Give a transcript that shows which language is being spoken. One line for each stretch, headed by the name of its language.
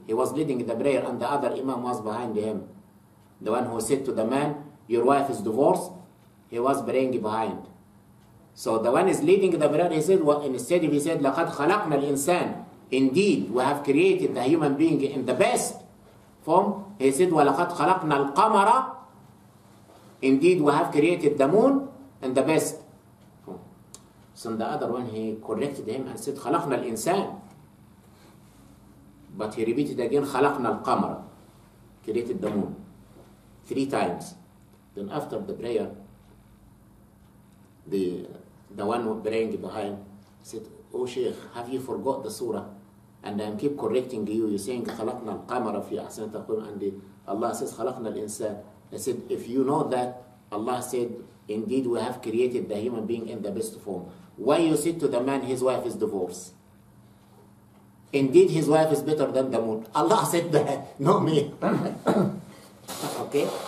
English: He was leading the prayer and the other imam was behind him. The one who said to the man, your wife is divorced, he was praying behind. So the one is leading the prayer, he said, instead of he said,
Arabic: لَقَدْ خَلَقْنَا الْإِنسَانِ.
English: Indeed, we have created the human being in the best form. He said,
Arabic: وَلَقَدْ خَلَقْنَا الْقَمَرَ.
English: Indeed, we have created the moon in the best. So the other one, he corrected him and said,
Arabic: خَلَقْنَا الْإِنسَانِ.
English: But he repeated again,
Arabic: خَلَقْنَا الْقَمَرَ.
English: Created the moon. Three times. Then after the prayer, the one who praying behind said, oh, Sheikh, have you forgot the surah? And I'm keep correcting you. You're saying,
Arabic: خَلَقْنَا الْقَمَرَ فِي أَحْسَنِ تَقْوِيمٍ.
English: And Allah says,
Arabic: خَلَقْنَا الْإِنسَانِ.
English: I said, if you know that, Allah said, indeed, we have created the human being in the best form. Why you said to the man his wife is divorced? Indeed, his wife is better than the moon. Allah said that, not me. Okay?